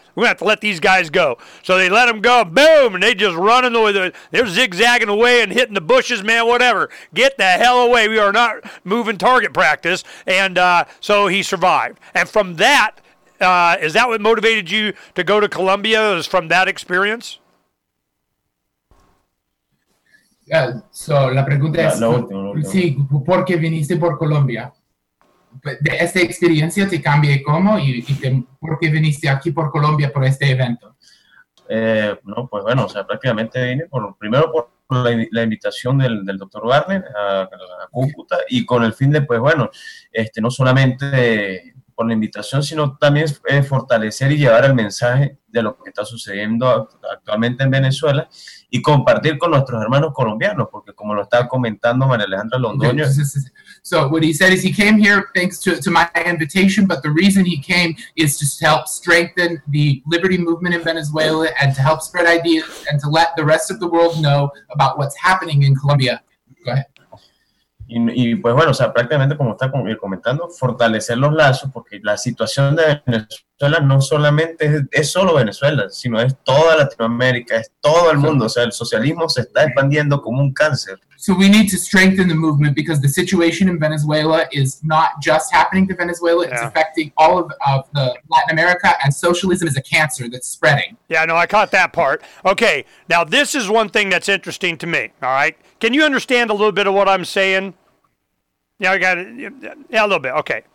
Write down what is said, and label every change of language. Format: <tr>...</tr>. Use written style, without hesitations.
<en>We're going to have to let these guys go. So they let them go, boom, and they just running away. They're zigzagging away and hitting the bushes, man, whatever. Get the hell away. We are not moving target practice. And so he survived. And from that, is that what motivated you to go to Colombia? Is from that experience? Yeah, so</en> <es>la pregunta es, sí, ¿por qué viniste por Colombia? De esta experiencia te cambié cómo y por qué viniste aquí por Colombia por este evento. No, pues bueno, o sea, prácticamente vine primero por la invitación del doctor Barnes a Cúcuta y con el fin de, pues bueno, no solamente por la invitación, sino también fortalecer y llevar el mensaje de lo que está sucediendo actualmente en Venezuela y compartir con nuestros hermanos colombianos, porque como lo estaba comentando María Alejandra Londoño.</es> <en>So what he said is he came here thanks to my invitation, but the reason he came is to help strengthen the liberty movement in Venezuela and to help spread ideas and to let the rest of the world know about what's happening in Colombia. Go ahead.</en> <es>Y pues bueno, o sea, prácticamente como está comentando, fortalecer los lazos, porque la situación de Venezuela no solamente es solo Venezuela, sino es toda Latinoamérica, es todo el mundo, o sea, el socialismo se está expandiendo como un cáncer.</es> <en>So we need to strengthen the movement because the situation in Venezuela is not just happening to Venezuela, it's affecting all of the Latin America, and socialism is a cancer that's spreading. Yeah, no, I caught that part. Okay, now this is one thing that's interesting to me, all right? Can you understand a little bit of what I'm saying? Yeah, I got it. Yeah, a little bit. Okay.</en>